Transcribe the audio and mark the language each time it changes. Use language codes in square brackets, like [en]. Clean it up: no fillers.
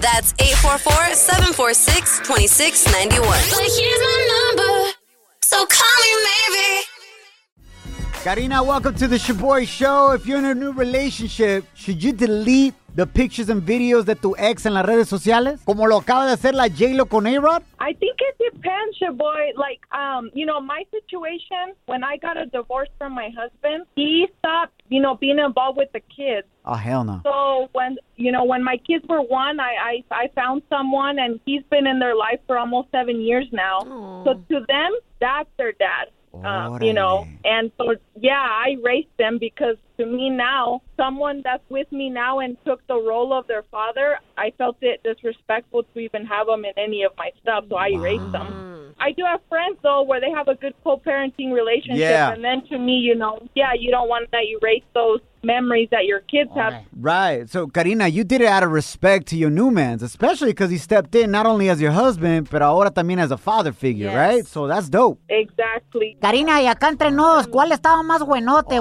[en] That's 844-746-2691. But here's my number, so call me maybe. Karina, welcome to the Shaboy Show. If you're in a new relationship, should you delete the pictures and videos that [es] tu ex en las redes sociales? Como lo acaba de hacer la J-Lo con A-Rod? [en] I think it depends, Shaboy. Like, you know, my situation, when I got a divorce from my husband, he stopped, you know, being involved with the kids. Oh, hell no. So when my kids were one, I found someone and he's been in their life for almost 7 years now. Aww. So to them, that's their dad. You know, and so, yeah, I raised them because to me now, someone that's with me now and took the role of their father, I felt it disrespectful to even have them in any of my stuff. So I erased them. I do have friends, though, where they have a good co-parenting relationship. Yeah. And then to me, you know, yeah, you don't want to erase those memories that your kids have. Right. So, Karina, you did it out of respect to your new man, especially because he stepped in not only as your husband, but [es] ahora también [en] as a father figure, yes. Right? So that's dope. Exactly. [es] Karina, y acá entre nos, ¿cuál estaba más buenote?